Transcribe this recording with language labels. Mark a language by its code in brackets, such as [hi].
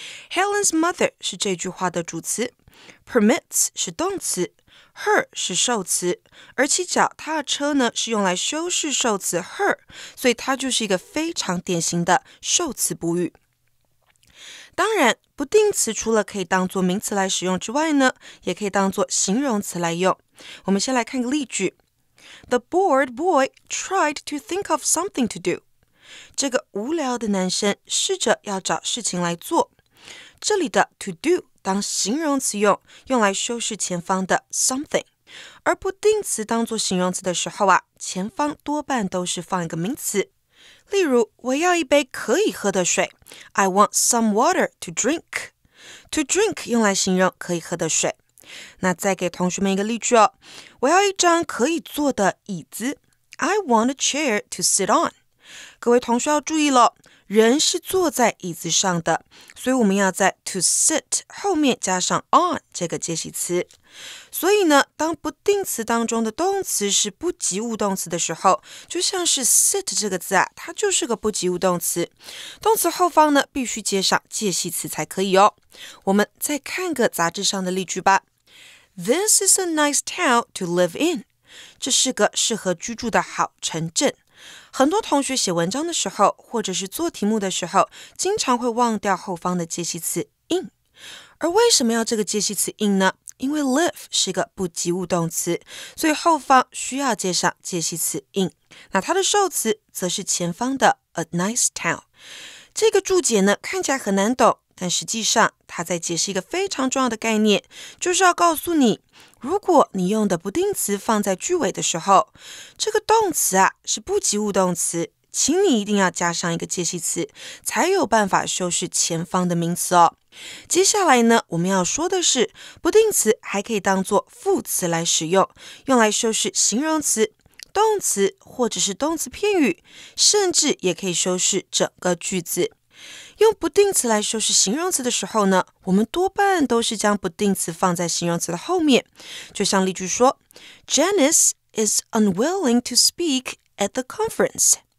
[zh] Helen's mother 是这句话的主词， permits 是动词， her 是受词，而骑脚踏车呢是用来修饰受词 her， 所以它就是一个非常典型的受词补语。当然，不定词除了可以当作名词来使用之外呢，也可以当作形容词来用。我们先来看个例句。 [en] The bored boy tried to think of something to do. [zh] 这个无聊的男生试着要找事情来做。这里的 to do 当形容词用，用来修饰前方的 something。而不定词当作形容词的时候啊，前方多半都是放一个名词。例如，我要一杯可以喝的水。 [en] I want some water to drink. To drink [zh] 用来形容可以喝的水。那再给同学们一个例句哦，我要一张可以坐的椅子。 [en] I want a chair to sit on. [zh] 各位同学要注意了，人是坐在椅子上的，所以我们要在 to sit 后面加上 on 这个介系词。所以呢，当不定词当中的动词是不及物动词的时候，就像是 sit 这个字啊，它就是个不及物动词。动词后方呢，必须接上介系词才可以哦。我们再看个杂志上的例句吧。 [en] This is a nice town to live in. [zh] 这是个适合居住的好城镇。很多同学写文章的时候，或者是做题目的时候，经常会忘掉后方的介系词 in。而为什么要这个介系词 in 呢？因为 live 是个不及物动词，所以后方需要接上介系词 in。那它的受词则是前方的 a nice town。这个注解呢，看起来很难懂，但实际上它在解释一个非常重要的概念，就是要告诉你，如果你用的不定词放在句尾的时候，这个动词啊是不及物动词，请你一定要加上一个介系词，才有办法修饰前方的名词哦。接下来呢，我们要说的是，不定词还可以当作副词来使用，用来修饰形容词、动词或者是动词片语，甚至也可以修饰整个句子。用不定词来修饰形容词的时候呢，我们多半都是将不定词放在形容词的后面。就像例句说 [en] ,Janice is unwilling to speak at the conference.